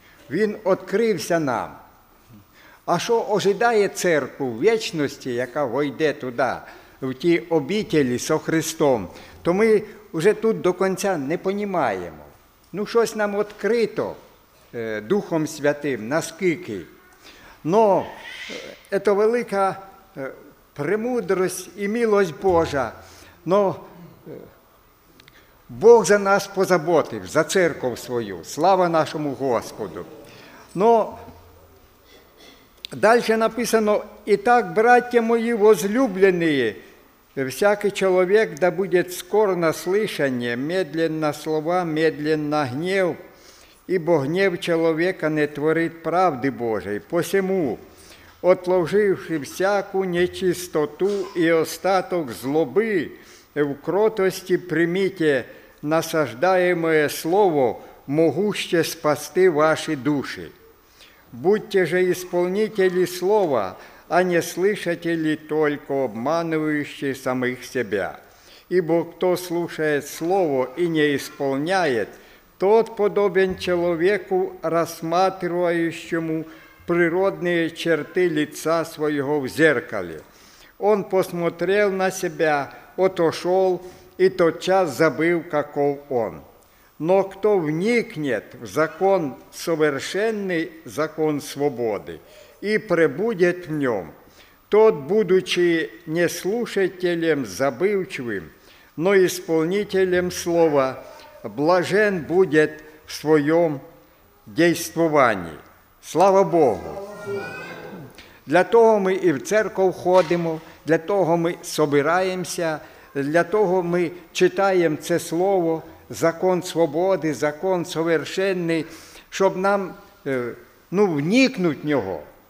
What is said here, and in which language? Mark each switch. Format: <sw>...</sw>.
<uk>Він відкрився нам. А що ожидає церкву вічності, яка войде туди, в ті обітелі со Христом, то ми вже тут до кінця не розуміємо. Ну, щось нам відкрито Духом Святим, наскільки. Но це велика премудрость і милость Божа. Но Бог за нас позаботив, за церков свою. Слава нашому Господу! Но дальше написано: «І так, браття мої возлюблені, всякий чоловік, да буде скоро на слышання, медлен на слова, медлен на гнів, ібо гнів чоловіка не творить правди Божої. Посему, отложивши всяку нечистоту і остаток злоби, в кротості прийміть насаждаємое слово, могуще спасти ваші душі.</uk> <ru>Будьте же исполнителі слова, а не слышателі только, обманывающі самих себя. Ибо хто слушає слово і не исполняє, тот подобен чоловіку, рассматривающему природные черти лица своего в зеркале. Он посмотрел на себя, отошел и тотчас забыл, каков он. Но кто вникнет в закон совершенный, закон свободы, и пребудет в нем, тот, будучи не слушателем забывчивым, но исполнителем слова, блажен будет в своем действовании». Слава Богу!</ru> <uk>Для того ми і в церкву ходимо, для того ми собираємося, для того ми читаємо це слово, закон свободи, закон совершенний, щоб нам, ну, вникнути в нього.</uk>